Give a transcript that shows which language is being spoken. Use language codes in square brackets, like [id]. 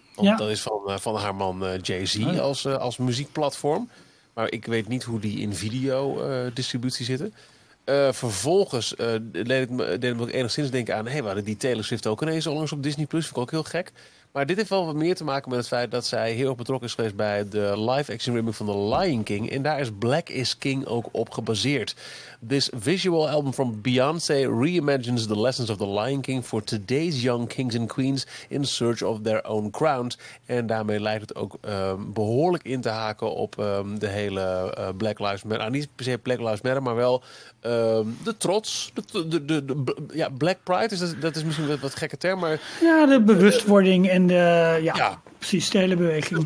[nl] Want dat is van haar man Jay-Z als muziekplatform. Maar ik weet niet hoe die in video distributie zitten. Vervolgens deed me ook enigszins denken aan, hey, we hadden die Taylor Swift ook ineens onlangs op Disney Plus. Vind ik ook heel gek. Maar dit heeft wel wat meer te maken met het feit dat zij heel erg betrokken is geweest bij de live action remake van The Lion King. En daar is Black is King ook op gebaseerd. [en] This visual album from Beyoncé reimagines the lessons of The Lion King for today's young kings and queens in search of their own crowns. [nl] En daarmee lijkt het ook behoorlijk in te haken op de hele Black Lives Matter. Niet per se Black Lives Matter, maar wel de trots. De Black Pride, is misschien wat gekke term. Maar, ja, de bewustwording. En de, precies, de hele beweging.